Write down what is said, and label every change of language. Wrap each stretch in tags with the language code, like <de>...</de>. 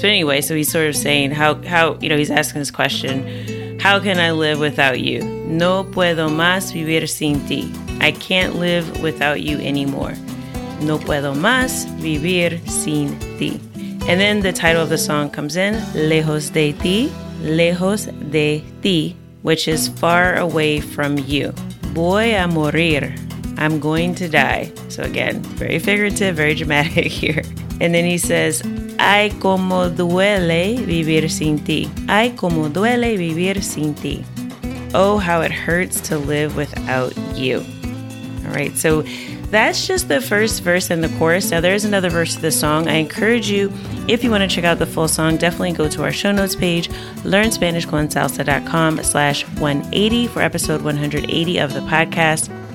<en>But anyway, so he's sort of saying how, you know, he's asking this question. How can I live without you?</en> <es>No puedo más vivir sin ti.</es> <en>I can't live without you anymore.</en> <es>No puedo más vivir sin ti.</es> <en>And then the title of the song comes in, Lejos de ti, lejos de ti, which is far away from you.</en> <es>Voy a morir.</es> <en>I'm going to die. So again, very figurative, very dramatic here. And then he says,</en> <es>ay como duele vivir sin ti. Ay como duele vivir sin ti.</es> <en>Oh, how it hurts to live without you. All right, so that's just the first verse and the chorus. Now, there is another verse of the song. I encourage you, if you want to check out the full song, definitely go to our show notes page, learnspanishconsalsa.com/180 for episode 180 of the podcast.</en>